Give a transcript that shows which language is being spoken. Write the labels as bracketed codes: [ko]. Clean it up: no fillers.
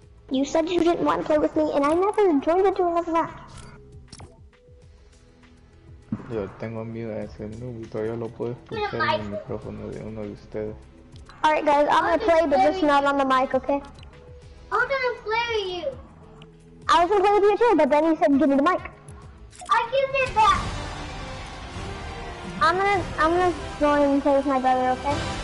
[en] You said you didn't want to play with me, and I never joined into another match. [es] Yo tengo miedo de ese noob, y todavía lo puedo escuchar en el micrófono de uno de ustedes. [en] Alright guys, I'm gonna play, but just not on the mic, okay? I'm gonna play with you! I was gonna play with you too, but then you said give me the mic. I can get that! I'm gonna join and play with my brother, okay?